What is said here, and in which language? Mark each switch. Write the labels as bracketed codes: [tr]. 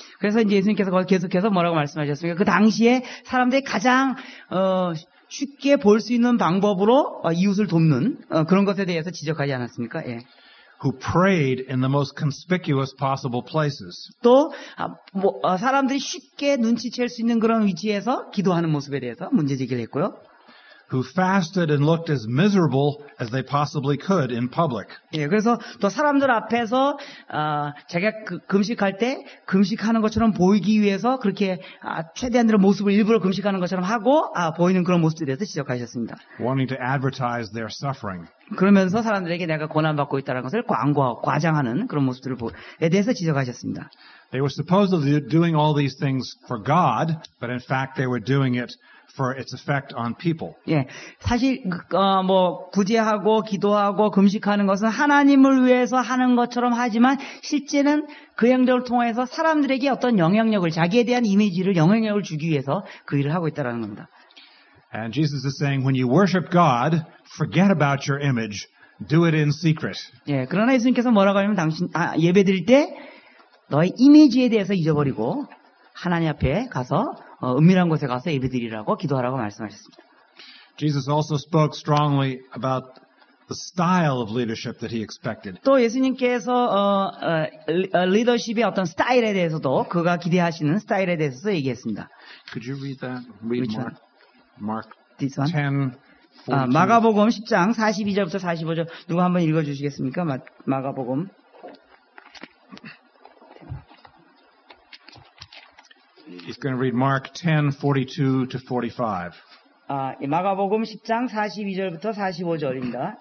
[ko] 그래서 이제 예수님께서 계속해서 뭐라고 말씀하셨습니까? 그 당시에 사람들이 가장 쉽게 볼 수 있는 방법으로 이웃을 돕는 그런 것에 대해서 지적하지 않았습니까? 예. [en] Who prayed in the most conspicuous possible places. [ko] 또 사람들이 쉽게 눈치챌 수 있는 그런 위치에서 기도하는 모습에 대해서 문제 제기를 했고요. [en] Who fasted and looked as miserable as they possibly could in public. [ko] 예, 그래서 또 사람들 앞에서 자기가 금식할 때 금식하는 것처럼 보이기 위해서 그렇게 최대한의 모습을 일부러 금식하는 것처럼 하고 보이는 그런 모습에 대해서 지적하셨습니다. [en] Wanting to advertise their suffering. [ko] 그러면서 사람들에게 내가 고난 받고 있다는 것을 과장하는 그런 모습들에 대해서 지적하셨습니다. [en] They were supposedly doing all these things for God, but in fact they were doing it for its effect on people. [ko] 예. 사실 뭐 구제하고 기도하고 금식하는 것은 하나님을 위해서 하는 것처럼 하지만 실제는 그 행동을 통해서 사람들에게 어떤 영향력을 자기에 대한 이미지를 영향력을 주기 위해서 그 일을 하고 있다라는 겁니다. [en] And Jesus is saying when you worship God, forget about your image. Do it in secret. [ko] 예. 그러나 예수님께서 뭐라고 하냐면 당신 예배드릴 때 너의 이미지에 대해서 잊어버리고 하나님 앞에 가서 은밀한 곳에 가서 예배드리라고 기도하라고 말씀하셨습니다. [en] Jesus also spoke strongly about the style of leadership that he expected. [ko] 또 예수님께서 리더십의 어떤 스타일에 대해서도 그가 기대하시는 스타일에 대해서 얘기했습니다. [en] Could you read that? Read Which one? Mark 10. [ko] 마가복음 10장 42절부터 45절 누가 한번 읽어주시겠습니까? 마가복음 [en] He's going to read Mark 10, 42 to 45. [ko] 예, 마가복음 10장 42절부터 45절입니다.